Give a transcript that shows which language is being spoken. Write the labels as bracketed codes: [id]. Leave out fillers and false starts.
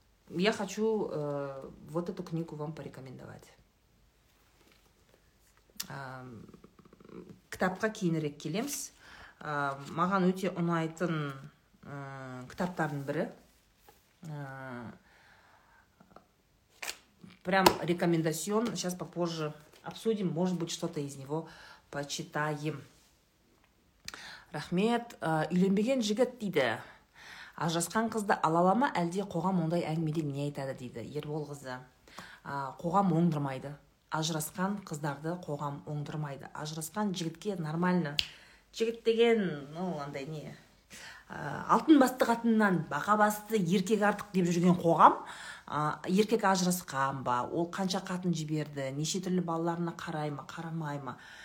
[ru] я хочу вот эту книгу вам порекомендовать. [kk] Кітапқа кейінірек келеміз. Маған өте ұнайтын кітаптардың бірі. [ru] Прям рекомендацион. Сейчас попозже обсудим. Может быть, что-то из него почитаем. [kk] Рахмет. Үйленбеген жігіт дейді. Ажасқан қызды алалама, әлде қоғам ондай әңгімеде не айтады дейді Ербол қызы. Қоғам оңдырмайды. Ажырасқан қыздарды қоғам оңдырмайды. Ажырасқан жігітке нормально. Жігіт деген, ну, андай не. Алтын басты қатыннан баға басты еркек артық деп жүрген қоғам, еркек ажырасқан ба, ол қанша қатын жіберді, неше түрлі балаларына қарай ма, қарамай ма.